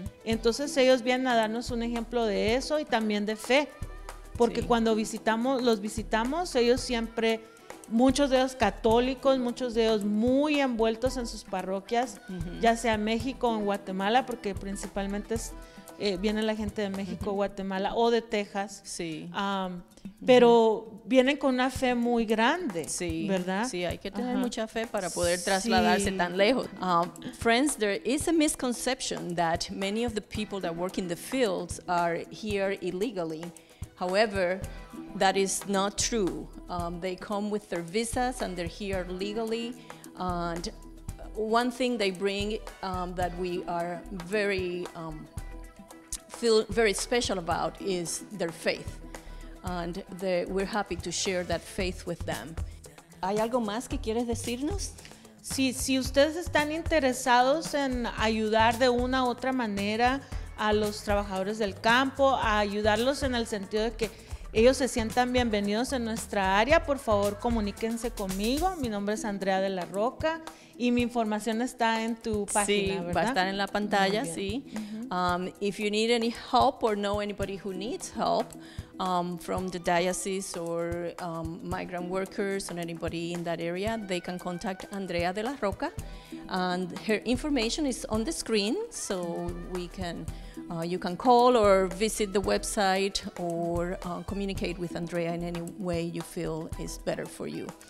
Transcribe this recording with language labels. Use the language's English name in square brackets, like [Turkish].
[Spanish] Entonces ellos vienen a darnos un ejemplo de eso y también de fe, porque cuando los visitamos, ellos siempre, muchos de ellos católicos, muchos de ellos muy envueltos en sus parroquias, ya sea México o en Guatemala, porque principalmente viene la gente de México, Guatemala o de Texas. Sí. Pero vienen con una fe muy grande, sí, ¿verdad? Sí, hay que tener mucha fe para poder trasladarse tan lejos. [English] Friends, there is a misconception that many of the people that work in the fields are here illegally. However, that is not true. They come with their visas and they're here legally. And one thing they bring that we are very feel very special about is their faith. And we're happy to share that faith with them. [Spanish] ¿Hay algo más que quieres decirnos? Si ustedes están interesados en ayudar de una u otra manera a los trabajadores del campo, a ayudarlos en el sentido de que ellos se sientan bienvenidos en nuestra área, por favor, comuníquense conmigo. Mi nombre es Andrea de la Roca y mi información está en tu página, sí, ¿verdad? Sí, va a estar en la pantalla, sí. [English] If you need any help or know anybody who needs help from the diocese or migrant workers or anybody in that area, they can contact Andrea de la Roca. And her information is on the screen, so you can call or visit the website or communicate with Andrea in any way you feel is better for you.